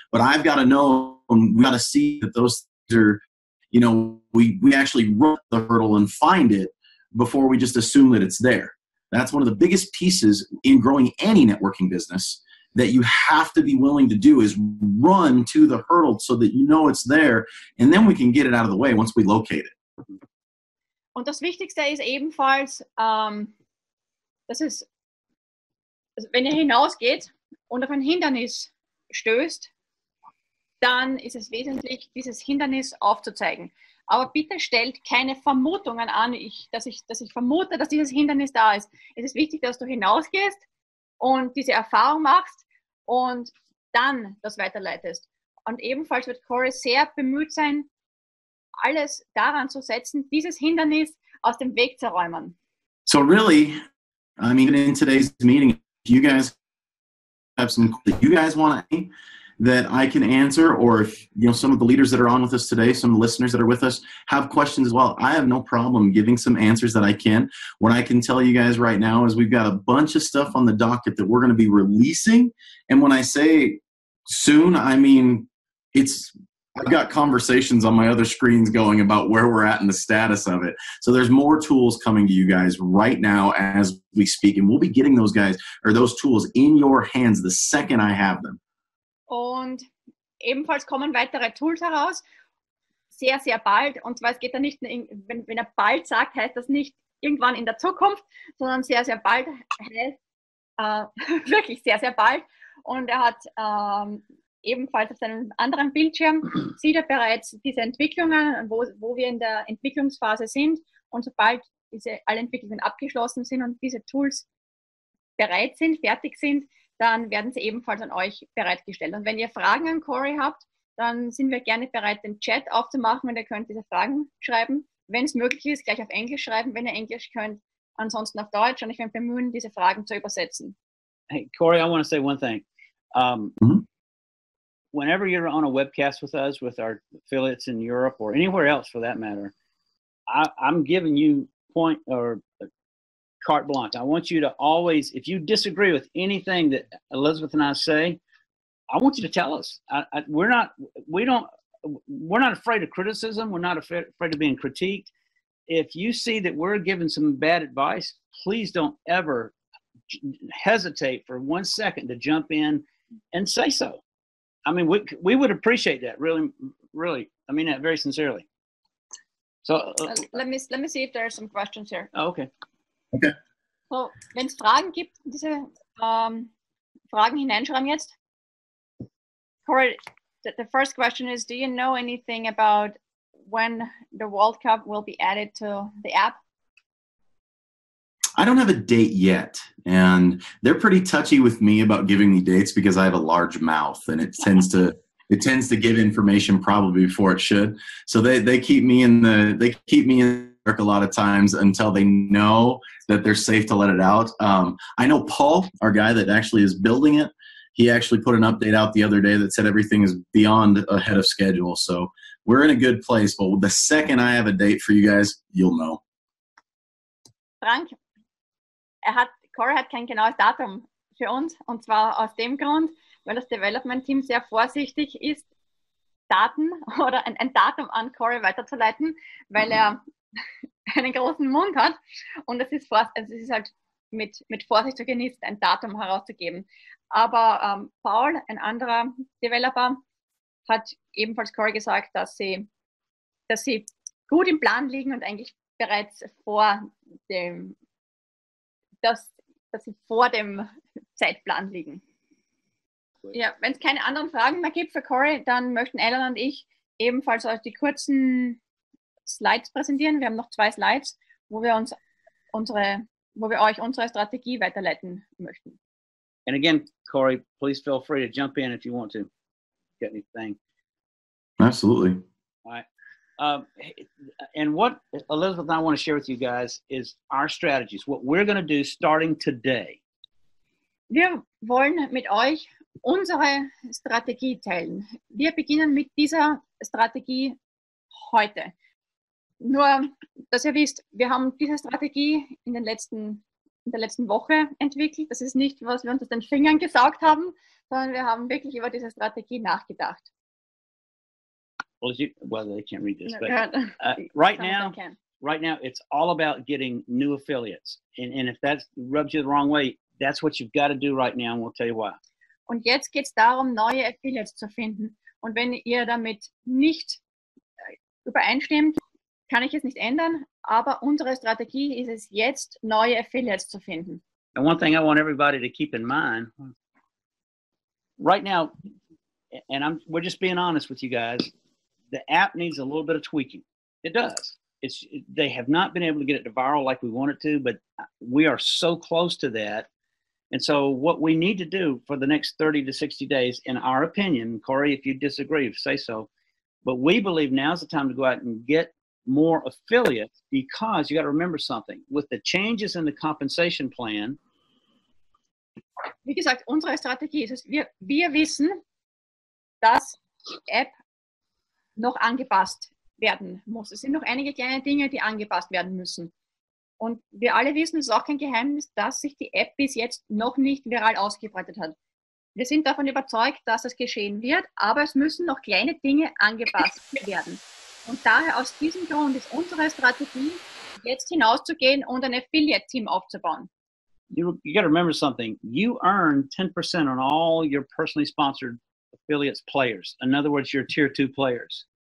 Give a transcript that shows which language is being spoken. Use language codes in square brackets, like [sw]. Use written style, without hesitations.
[en] But I've got to know, and we got to see that those things are, you know, we actually run the hurdle and find it before we just assume that it's there. That's one of the biggest pieces in growing any networking business that you have to be willing to do, is run to the hurdle so that you know it's there, and then we can get it out of the way once we locate it. [de] Und das Wichtigste ist ebenfalls, dass es, wenn ihr hinausgeht und auf ein Hindernis stößt, dann ist es wesentlich, dieses Hindernis aufzuzeigen. Aber bitte stellt keine Vermutungen an, dass ich vermute, dass dieses Hindernis da ist. Es ist wichtig, dass du hinausgehst und diese Erfahrung machst und dann das weiterleitest. Und ebenfalls wird Corey sehr bemüht sein, alles daran zu setzen, dieses Hindernis aus dem Weg zu räumen. [en] So really, I mean, in today's meeting, if you guys have some that you guys want that I can answer, or if, you know, some of the leaders that are on with us today, some listeners that are with us have questions as well, I have no problem giving some answers that I can. What I can tell you guys right now is we've got a bunch of stuff on the docket that we're going to be releasing. And when I say soon, I mean, I've got conversations on my other screens going about where we're at and the status of it. So there's more tools coming to you guys right now as we speak. And we'll be getting those guys or those tools in your hands the second I have them. [de] Und ebenfalls kommen weitere Tools heraus, sehr, sehr bald. Und zwar, es geht da nicht, wenn er bald sagt, heißt das nicht irgendwann in der Zukunft, sondern sehr, sehr bald, wirklich sehr, sehr bald. Und er hat ebenfalls auf seinem anderen Bildschirm, sieht er bereits diese Entwicklungen, wo wir in der Entwicklungsphase sind. Und sobald alle Entwicklungen abgeschlossen sind und diese Tools bereit sind, fertig sind, dann werden sie ebenfalls an euch bereitgestellt. Und wenn ihr Fragen an Corey habt, dann sind wir gerne bereit, den Chat aufzumachen und ihr könnt diese Fragen schreiben. Wenn es möglich ist, gleich auf Englisch schreiben, wenn ihr Englisch könnt, ansonsten auf Deutsch. Und ich werde bemühen, diese Fragen zu übersetzen. [en] Hey, Corey, I want to say one thing. whenever you're on a webcast with us, with our affiliates in Europe or anywhere else for that matter, I'm giving you point or carte blanche. I want you to always, if you disagree with anything that Elizabeth and I say, I want you to tell us. We're not afraid of criticism. We're not afraid of being critiqued. If you see that we're giving some bad advice, please don't ever hesitate for one second to jump in and say so. I mean, we would appreciate that really, really. I mean that very sincerely. So let me see if there are some questions here. Oh, okay. Okay. [de] So, wenn es Fragen gibt, diese Fragen hineinschreiben jetzt. [en] Corey, the first question is, do you know anything about when the World Cup will be added to the app? I don't have a date yet, and they're pretty touchy with me about giving me dates because I have a large mouth, and it tends to give information probably before it should. So they keep me in the dark a lot of times until they know that they're safe to let it out. I know Paul, our guy that actually is building it, he actually put an update out the other day that said everything is beyond ahead of schedule. So we're in a good place, but the second I have a date for you guys, you'll know. [de] Frank, Corey hat kein genaues Datum für uns, und zwar aus dem Grund, weil das Development-Team sehr vorsichtig ist, Daten oder ein Datum an Corey weiterzuleiten, weil er einen großen Mund hat und es ist halt mit Vorsicht zu genießen, ein Datum herauszugeben. Aber Paul, ein anderer Developer, hat ebenfalls Corey gesagt, dass sie gut im Plan liegen und eigentlich bereits vor dem, dass sie vor dem Zeitplan liegen. Ja, wenn es keine anderen Fragen mehr gibt für Corey, dann möchten Alan und ich ebenfalls euch die kurzen Slides präsentieren. Wir haben noch zwei Slides, wo wir euch unsere Strategie weiterleiten möchten. [en] And again, Corey, please feel free to jump in if you want to get anything. Absolutely. All right. And what Elizabeth and I want to share with you guys is our strategies, what we're going to do starting today. [de] Wir wollen mit euch unsere Strategie teilen. Wir beginnen mit dieser Strategie heute. Nur, dass ihr wisst, wir haben diese Strategie in der letzten Woche entwickelt. Das ist nicht, was wir uns aus den Fingern gesaugt haben, sondern wir haben wirklich über diese Strategie nachgedacht. [en] Well, they can't read this, but right now, it's all about getting new affiliates. And if that rubs you the wrong way, that's what you've got to do right now, and we'll tell you why. [de] Und jetzt geht's darum, neue Affiliates zu finden. Und wenn ihr damit nicht übereinstimmt, kann ich es nicht ändern, aber unsere Strategie ist es jetzt, neue Affiliates zu finden. [en] And one thing I want everybody to keep in mind, right now, and we're just being honest with you guys, the app needs a little bit of tweaking. It does. They have not been able to get it to viral like we want it to, but we are so close to that. And so what we need to do for the next 30 to 60 days, in our opinion, Corey, if you disagree, say so, but we believe now's the time to go out and get more affiliates, because you got to remember something with the changes in the compensation plan. [de] Wie gesagt, unsere Strategie ist, wir wissen, dass die App noch angepasst werden muss. Es sind noch einige kleine Dinge, die angepasst werden müssen. Und wir alle wissen, es ist auch kein Geheimnis, dass sich die App bis jetzt noch nicht viral ausgebreitet hat. Wir sind davon überzeugt, dass es geschehen wird, aber es müssen noch kleine Dinge angepasst werden. Und daher, aus diesem Grund, ist unsere Strategie, jetzt hinauszugehen und ein Affiliate-Team aufzubauen. [en] You got to remember something. You earn 10% on all your personally sponsored affiliates players. In other words, your Tier 2 players.